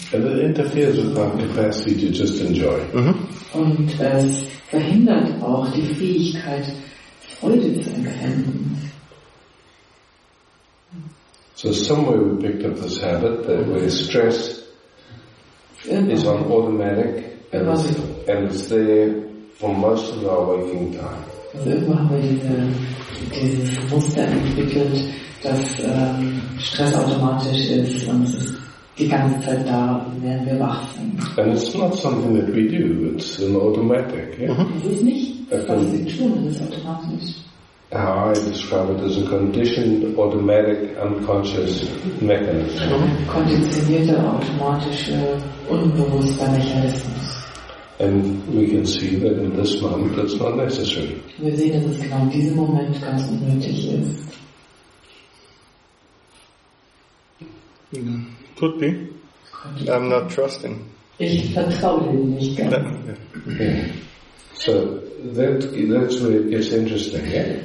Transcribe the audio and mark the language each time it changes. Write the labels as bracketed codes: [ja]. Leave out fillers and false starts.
[en] And it interferes with our capacity to just enjoy. Mm-hmm. [de] Und es verhindert auch die Fähigkeit, Freude zu empfinden. [en] So somewhere we picked up this habit that where stress is on automatic and it's there. for most of our waking time. [de] Also irgendwann haben wir dieses Muster entwickelt, dass Stress automatisch ist und es ist die ganze Zeit da, während wir wach sind. [en] And it's not something that we do, it's an automatic, yeah? Mm-hmm. [de] Es ist nicht, was sie tun, es ist automatisch. [en] How I describe it as a conditioned, automatic, unconscious mechanism. [de] Konditionierter, automatischer, unbewusster Mechanismus. [en] And we can see that in this moment that's not necessary. [de] Wir sehen, dass es genau in diesem Moment ganz unnötig ist. [en] Could be. I'm not trusting. [de] Ich vertraue dir nicht ganz. [en] So that's where it gets interesting, yeah?